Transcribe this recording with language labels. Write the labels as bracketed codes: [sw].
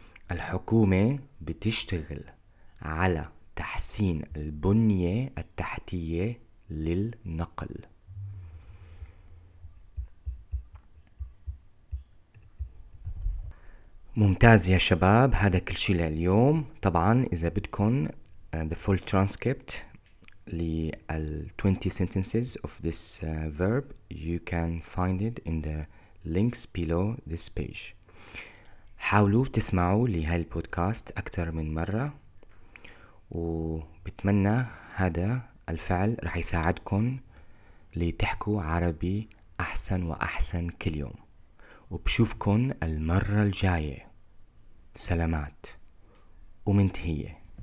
[ar] الحكومة بتشتغل على تحسين البنية التحتية للنقل. ممتاز يا شباب، هذا كل شيء لليوم. طبعا إذا بدكم [en] the full transcript لل 20 sentences of this verb, you can find it in the links below this page. [ar] حاولوا تسمعوا لهذا البودكاست أكثر من مرة، وبتمنى هذا الفعل رح يساعدكم لتحكوا عربي أحسن وأحسن كل يوم. وبشوفكم المرة الجاية. سلامات ومنتهيه.